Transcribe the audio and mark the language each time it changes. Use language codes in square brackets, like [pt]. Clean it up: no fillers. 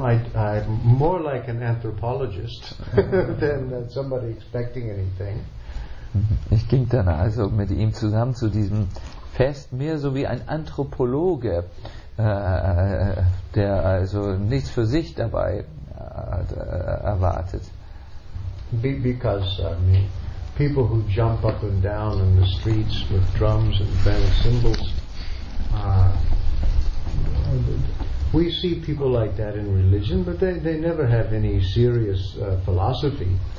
[de] I'm more like an anthropologist than somebody expecting anything. [en] Ich ging dann also mit ihm zusammen zu diesem Fest, mehr so wie ein Anthropologe, der also nichts für sich dabei erwartet. [de] Because people who jump up and down in the streets with drums and bell cymbals, we see people like that in religion, but they never have any serious philosophy.